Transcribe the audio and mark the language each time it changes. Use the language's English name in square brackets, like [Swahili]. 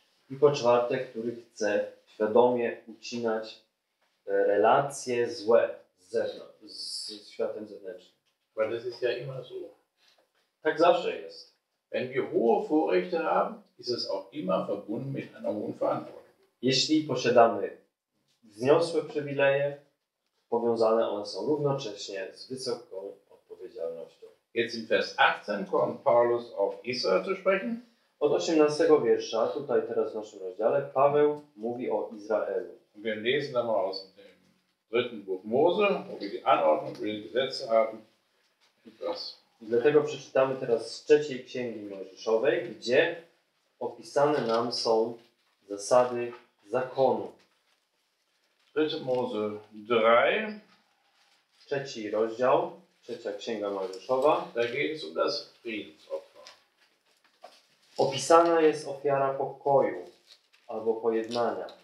[Polish] I po czwarte, który chce świadomie ucinać relacje złe z światem zewnętrznym. Bo to jest [German] ja immer so. [Polish] Tak zawsze jest. [German] Wenn wir hohe Vorrechte haben, ist es auch immer verbunden mit einer hohen Verantwortung. [Polish] Jeśli posiadamy wzniosłe przywileje, powiązane one są równocześnie z wysoką odpowiedzialnością. [German] Jetzt in Vers 18 kommt Paulus auf Israel zu sprechen. [Polish] Od 18 wiersza, tutaj teraz w naszym rozdziale, Paweł mówi o Izraelu. [German] Wir lesen dann mal aus dem dritten Buch Mose, wo wir die Anordnung über die Gesetze haben. [Polish] I dlatego przeczytamy teraz z trzeciej Księgi Mojżeszowej, gdzie opisane nam są zasady zakonu. Trzeci Mose 3. Trzeci rozdział, trzecia Księga Mojżeszowa. [German] Da geht es um das Friedensopfer. [Polish] Opisana jest ofiara pokoju albo pojednania.